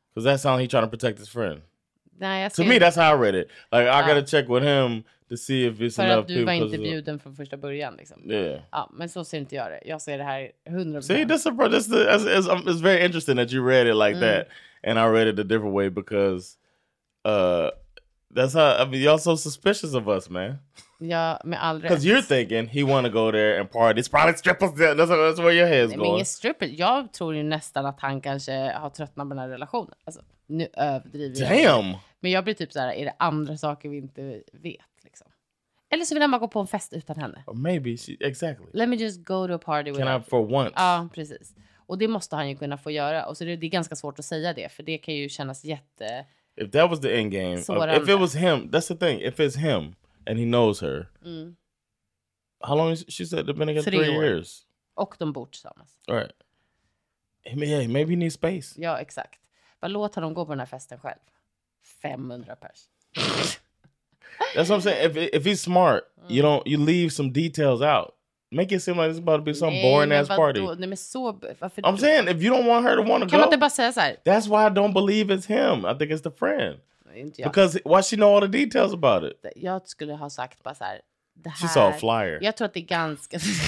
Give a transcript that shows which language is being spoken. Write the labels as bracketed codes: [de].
[en] Because that sounds like he's trying to protect his friend. [sv] Nej, [en] to me, that's how I read it. Like, I gotta check with him to see if it's enough people. [sv] För att du var inte bjuden från första början, liksom. [en] Yeah. [sv] Ja, men så ser inte jag det. Jag ser det här 100%. [en] See, it's very interesting that you read it like that. And I read it a different way because that's how, I mean, y'all so suspicious of us, man. [sv] Ja, med all rätt. [en] Because you're thinking he want to go there and party. It's probably strippers. That's where your head's going. [sv] Men ingen stripper. Jag tror ju nästan att han kanske har tröttnat på den här relationen. Alltså, nu överdriver jag. [en] Damn! [sv] Men jag blir typ så här, är det andra saker vi inte vet, liksom? Eller så vill han bara gå på en fest utan henne. [en] Or maybe. She, exactly. Let me just go to a party with her. Can I for once? [sv] Ja, precis. Och det måste han ju kunna få göra. Och så det är ganska svårt att säga det. För det kan ju kännas jätte... [en] If that was the end game. If it was him. That's the thing. If it's him. And he knows her. Mm. How long has she said they've been together? 3 years. [sv] Och de bor tillsammans. [en] Right. Yeah, maybe he needs space. [sv] Ja, exakt. Bara låt honom gå på den här festen själv. 500 pers. [en] That's what I'm saying. If he's smart, you leave some details out. Make it seem like it's about to be some boring ass party. [sv] Nej, men så, varför [en] I'm saying, if you don't want her to want to go. [sv] Kan man inte bara säga så här? [en] That's why I don't believe it's him. I think it's the friend. [sv] Inte jag. [en] Because why she know all the details about it? [sv] Jag skulle ha sagt bara så här, det här. [en] She saw a flyer. [sv] Jag tror att det är ganska.